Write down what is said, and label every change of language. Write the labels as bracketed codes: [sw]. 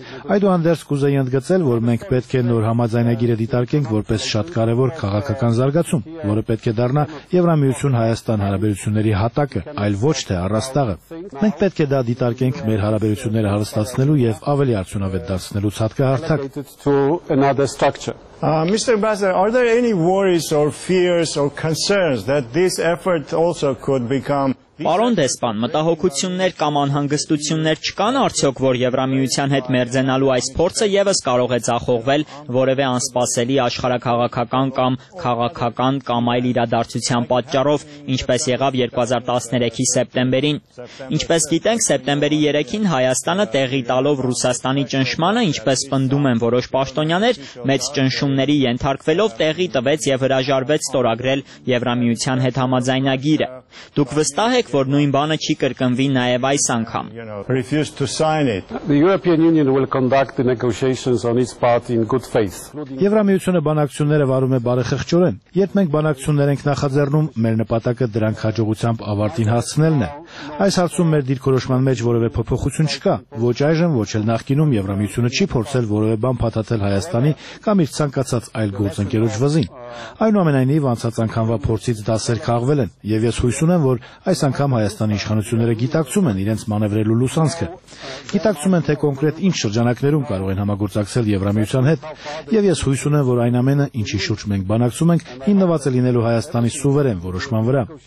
[hy] Այդուհանդերձ կուզեի ընդգծել, որ մենք պետք է նոր համաձայնագիրը դիտարկենք որպես շատ կարևոր քաղաքական զարգացում, որը պետք է դառնա Եվրամիություն-Հայաստան հարաբերությունների հատակը, այլ ոչ թե առաստաղը։ Մենք պետք է դա դիտարկենք մեր հարաբերությունները հարստացնելու եւ ավելի արդյունավետ դարձնելու ցանկահարթակ։ [en] Mr. Ambassador, are there any worries or fears or concerns that this effort also could become [hy] Պարոն Դեսպան, մտահոգություններ կամ անհանգստություններ չկան արդյոք, որ Եվրամիության հետ մերձենալու այս փորձը եւս կարող է ձախողվել որևէ անսպասելի աշխարհակաղակական կամ քաղաքական կամ այլ իրադարձության պատճառով, ինչպես եղավ 2013-ի սեպտեմբերին։ Ինչպես գիտենք, սեպտեմբերի 3-ին Հայաստանը տեղի տալով Ռուսաստանի ճնշմանը, ինչպես պնդում են որոշ պաշտոնյաներ, մեծ ճնշումների ենթարկվելով տեղի տվեց եւ հրաժարվեց ստորագրել Եվրամիության հետ համաձայնագիրը։ Դուք վստահ հեք, որ նույն բանը չի կրկնվի նաև այս անգամ։ [en] The European Union will conduct the negotiations on its part in good faith. [hy] Եվրամիությունը բանակցությունները վարում է բարեխղճորեն։ Երբ մենք բանակցություններ ենք նախաձեռնում, մեր նպատակը դրանք հաջողությամբ ավարտին հասցնելն է։ Այս հարցում մեր դիրքորոշման մեջ որևէ փոփոխություն չկա, ոչ այժմ, ոչ էլ նախկինում Եվրամիությունը չի փորձել որևէ բան փաթաթել Հայաստանի կամ իր ցանկացած այլ գործընկերոջ վզին։ Այնուամենայնիվ, անցած անգամվա փորձից դասեր քաղվել են, և ես հույս ունեմ, որ այս անգամ Հայաստանի իշխանությունները գիտակցում են իրենց մանևրելու լուսանցքը։ Գիտակցում են, թե կոնկրետ ինչ շրջանակներում կարող են համագործակցել Եվրամիության հետ, և ես հույս ունեմ, որ այն ամենը, ինչի շուրջ մենք բանակցում ենք, հիմնված է լինելու Հայաստանի սուվերեն որոշման վրա։